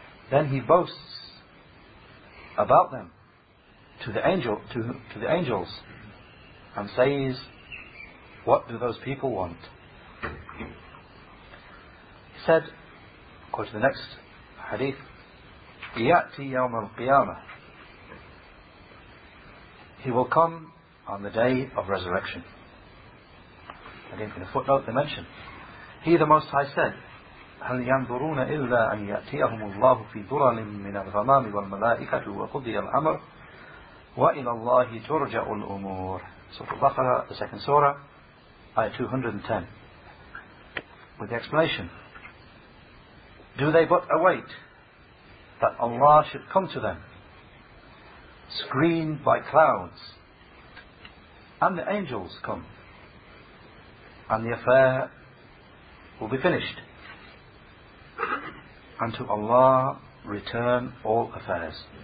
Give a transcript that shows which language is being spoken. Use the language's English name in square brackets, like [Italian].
[English] Then he boasts about them to the angels and says, what do those people want? He said, according to the next hadith, [Arabic] يَأْتِ يَوْمَ الْقِيَامَةِ, [English] he will come on the day of resurrection. Again, in a footnote they mention, he the Most High said, [Arabic] هَلْ يَنْظُرُونَ إِلَّا أَنْ يَأْتِيَهُمُ اللَّهُ فِي ظُلَلٍ مِّنَ الْغَمَامِ وَالْمَلَائِكَةُ وَقُضِيَ الْأَمْرُ وَإِلَى اللَّهِ تُرْجَعُ الْأُمُورُ. [English] Surah Al-Baqarah, the second surah, ayah 210. With the explanation, do they but await that Allah should come to them, screened by clouds, and the angels come, and the affair will be finished, and to Allah return all affairs.